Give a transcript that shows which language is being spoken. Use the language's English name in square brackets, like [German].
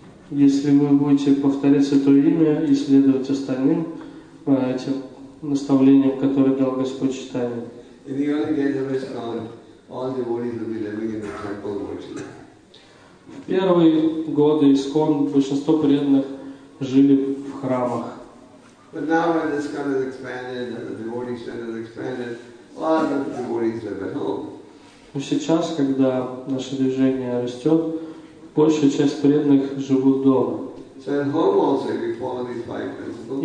[Russian] Если вы будете повторять Святое Имя и следовать остальным этим наставлениям, которые дал Господь Чайтанья. В первые годы ИСККОН большинство преданных жили в храмах. [English] But now when this kind of expanded and the devotee center expanded, all the devotees live at home. [Russian] Но сейчас, когда наше движение растет, большая часть преданных живут дома. [English] So at home also, if you follow these five principles.